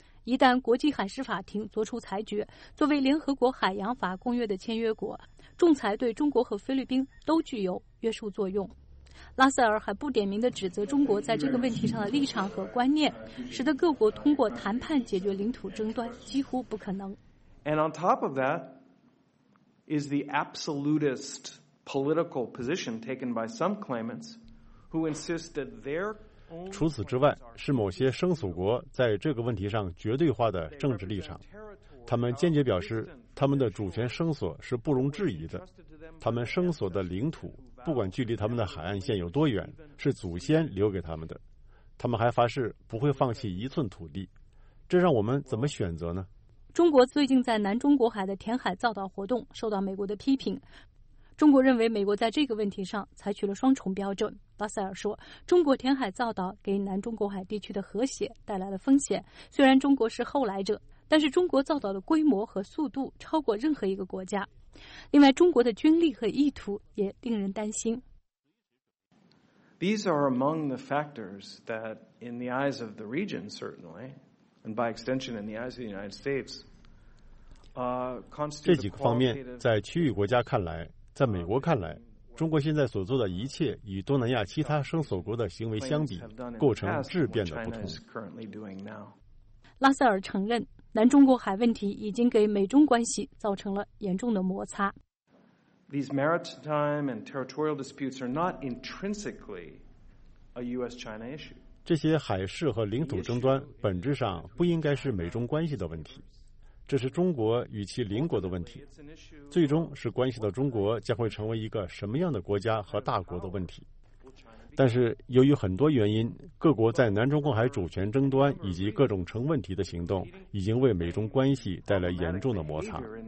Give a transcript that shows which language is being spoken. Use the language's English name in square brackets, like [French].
[Chinese] 一旦国际海事法庭作出裁决，作为联合国海洋法公约的签约国，仲裁对中国和菲律宾都具有约束作用。拉塞尔还不点名地指责中国在这个问题上的立场和观念，使得各国通过谈判解决领土争端几乎不可能。 [English] And on top of that is the absolutist political position taken by some claimants who insist that their [Chinese] 除此之外，是某些声索国在这个问题上绝对化的政治立场。他们坚决表示，他们的主权声索是不容置疑的，他们声索的领土。不管距离他们的海岸线有多远，是祖先留给他们的。他们还发誓不会放弃一寸土地，这让我们怎么选择呢？中国最近在南中国海的填海造岛活动受到美国的批评。中国认为美国在这个问题上采取了双重标准。巴塞尔说，中国填海造岛给南中国海地区的和谐带来了风险。虽然中国是后来者，但是中国造岛的规模和速度超过任何一个国家。另外，中国的军力和意图也令人担心。 [English] These are among the factors that, in the eyes of the region, certainly, and by extension, in the eyes of the United States, constitute. [Chinese] 这几个方面，在区域国家看来，在美国看来，中国现在所做的一切与东南亚其他声索国的行为相比，构成质变的不同。拉塞尔承认。南中国海问题已经给美中关系造成了严重的摩擦。 [English] These maritime and territorial disputes are not intrinsically a U.S.-China issue. [Chinese] 这些海事和领土争端本质上不应该是美中关系的问题，这是中国与其邻国的问题，最终是关系到中国将会成为一个什么样的国家和大国的问题。但是由于很多原因，各国在南中国海主权争端以及各种成问题的行动已经为美中关系带来严重的摩擦。